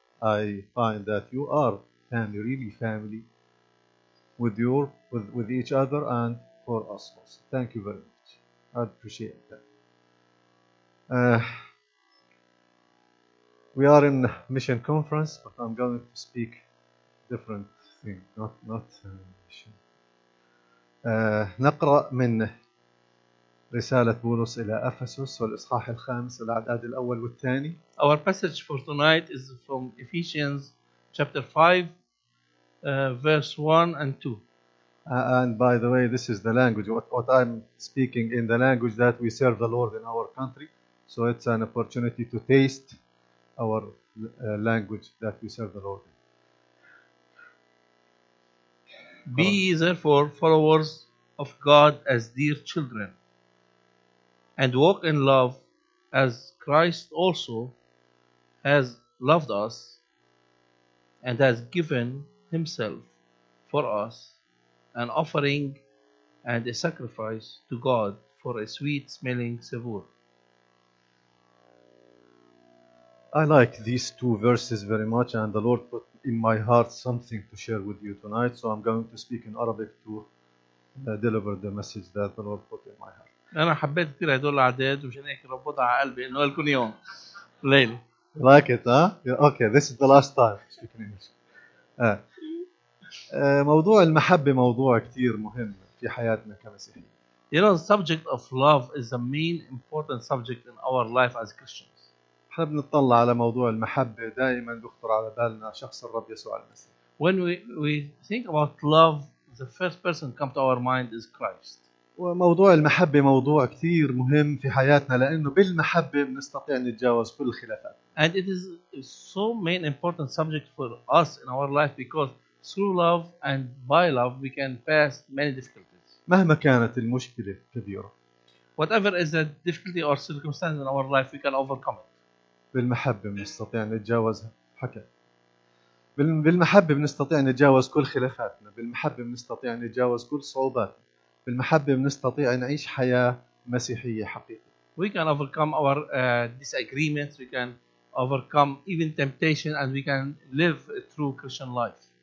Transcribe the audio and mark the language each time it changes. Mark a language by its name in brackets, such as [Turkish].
[English] I find that you are family, really family, with each other and for us also. Thank you very much. I appreciate that. We are in mission conference, but I'm going to speak different thing, not mission. [Arabic] نقرأ من رسالة بولس إلى أفسس والإصحاح الخامس الأعداد الأول والثاني. [English] Our passage for tonight is from Ephesians chapter 5, verse 1 and 2. And by the way, this is the language. What I'm speaking in the language that we serve the Lord in our country. So it's an opportunity to taste our language that we serve the Lord in. Be ye therefore followers of God as dear children, and walk in love as Christ also has loved us and has given himself for us, an offering and a sacrifice to God for a sweet-smelling savour. I like these two verses very much, and the Lord put in my heart something to share with you tonight, so I'm going to speak in Arabic to deliver the message that the Lord put in my heart. [Arabic] أنا حبيت كثير هدول الأعداد وشان هيك ربطها على قلبي إنه لكم يوم ليلة. [English] Like it, huh? Okay, this is the last time speaking English. [Arabic] موضوع المحبة موضوع كثير مهم في حياتنا كمسيحيين. [English] You know, the subject of love is the main important subject in our life as Christians. [Arabic] إحنا بنطلع على موضوع المحبة دائما بيخطر على بالنا شخص الرب يسوع المسيح. [English] When we think about love, the first person come to our mind is Christ. [Arabic] وموضوع المحبة موضوع كثير مهم في حياتنا لأنه بالمحبة بنستطيع نتجاوز كل الخلافات. [English] And it is so main important subject for us in our life because through love and by love we can pass many difficulties. [Arabic] مهما كانت المشكلة كبيرة. [English] Whatever is the difficulty or circumstance in our life we can overcome it. [Arabic] بالمحبة بنستطيع نتجاوزها. حكى. بالمحبة بنستطيع نتجاوز كل خلافاتنا. بالمحبة بنستطيع نتجاوز كل صعوباتنا. بالمحبة بنستطيع نعيش حياة مسيحية حقيقية. [English] We can overcome our disagreements, we can overcome even temptation, and we can live a true Christian life.